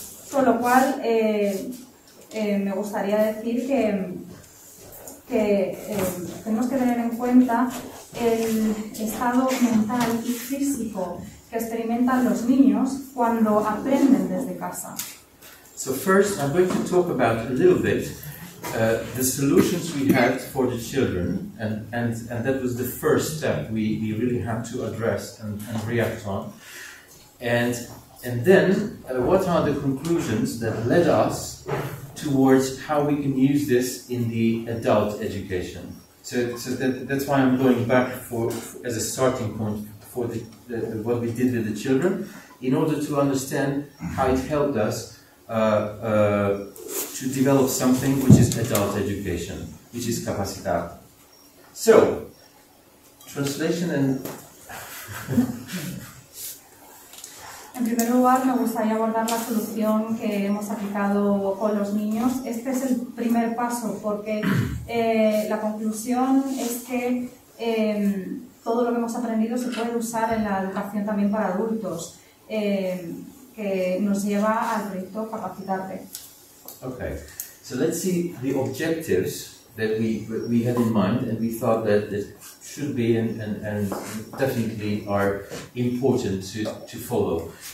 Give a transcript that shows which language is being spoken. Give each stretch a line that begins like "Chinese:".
Spanish: Con lo cual, me gustaría decir que tenemos que tener en cuenta el estado mental y físico que experimentan los niños cuando aprenden desde casa.
English: So first, I'm going to talk about a little bit the solutions we had for the children, and that was the first step we really had to address and react on. And then, what are the conclusions that led us towards how we can use this in the adult education? So that's why I'm going back as a starting point for the what we did with the children, in order to understand how it helped us to develop something which is adult education, which is capacitar. So, translation and...
Spanish: En primer lugar, me gustaría abordar la solución que hemos aplicado con los niños. Este es el primer paso, porque la conclusión es que todo lo que hemos aprendido se puede usar en la educación también para adultos.
English: Okay, so let's see the objectives that we had in mind, and we thought that this should be and definitely are important to follow.